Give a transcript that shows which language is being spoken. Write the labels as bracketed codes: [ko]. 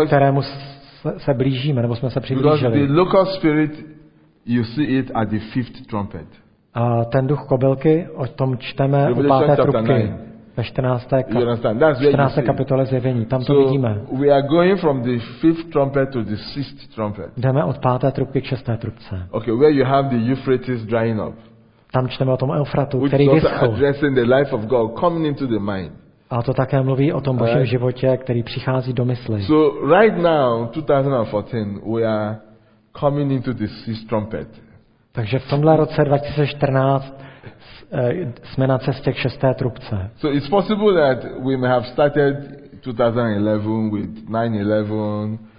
[cs] ke kterému se blížíme, nebo jsme se přiblížili. [en] Because the locust spirit, you see it at the fifth trumpet. [cs] A ten duch kobylky, o tom čteme u páté trubky. Ve 14. kapitole zjevení, tam to vidíme. [en] We are going from the fifth trumpet to the sixth trumpet. [cs] Jdeme od páté trubky k šesté trubce. [en] Okay, where you have the Euphrates drying up. [cs] Tam čteme o tom Eufratu, [en] which [cs] který vyschl. [en] Addressing the life of God coming into the mind. [cs] A to také mluví o tom Božím životě, který přichází do mysli. [en] So right now, 2014, we are coming into the sixth trumpet. [cs] Takže v tomhle roce 2014 jsme na cestě k šesté trubce. [en] So it's possible that we may have started 2011 with 9/11.